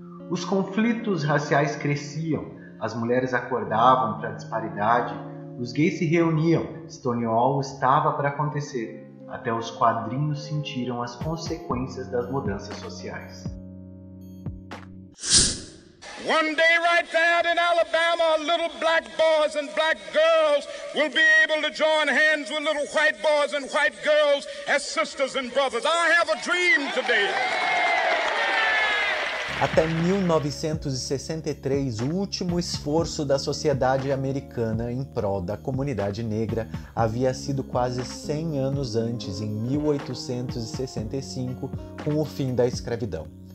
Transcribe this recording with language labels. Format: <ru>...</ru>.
<pt>Os conflitos raciais cresciam, as mulheres acordavam para a disparidade, os gays se reuniam, Stonewall estava para acontecer, até os quadrinhos sentiram as consequências das mudanças sociais.</pt> <en>One day right there in Alabama, little black boys and black girls will be able to join hands with little white boys and white girls as sisters and brothers. I have a dream today.</en> <pt>Até 1963, o último esforço da sociedade americana em prol da comunidade negra havia sido quase 100 anos antes, em 1865, com o fim da escravidão.</pt>